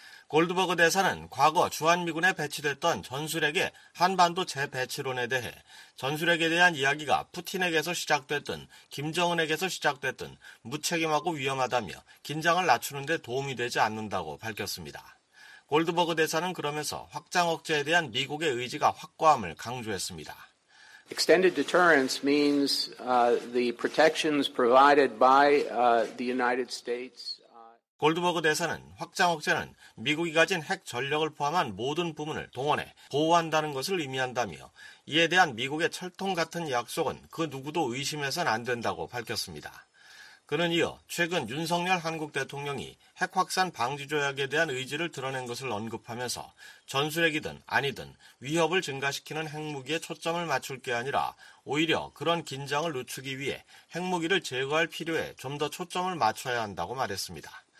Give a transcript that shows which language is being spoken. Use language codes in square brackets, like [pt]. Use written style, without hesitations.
[ko] 골드버그 대사는 과거 주한미군에 배치됐던 전술핵의 한반도 재배치론에 대해 전술핵에 대한 이야기가 푸틴에게서 시작됐든 김정은에게서 시작됐든 무책임하고 위험하다며 긴장을 낮추는 데 도움이 되지 않는다고 밝혔습니다. 골드버그 대사는 그러면서 확장 억제에 대한 미국의 의지가 확고함을 강조했습니다. [en] Extended deterrence means the protections provided by the United States. [ko] 골드버그 대사는 확장 억제는 미국이 가진 핵 전력을 포함한 모든 부문을 동원해 보호한다는 것을 의미한다며 이에 대한 미국의 철통 같은 약속은 그 누구도 의심해서는 안 된다고 밝혔습니다. 그는 이어 최근 윤석열 한국 대통령이 핵 확산 방지 조약에 대한 의지를 드러낸 것을 언급하면서 전술핵이든 아니든 위협을 증가시키는 핵무기에 초점을 맞출 게 아니라 오히려 그런 긴장을 늦추기 위해 핵무기를 제거할 필요에 좀 더 초점을 맞춰야 한다고 말했습니다.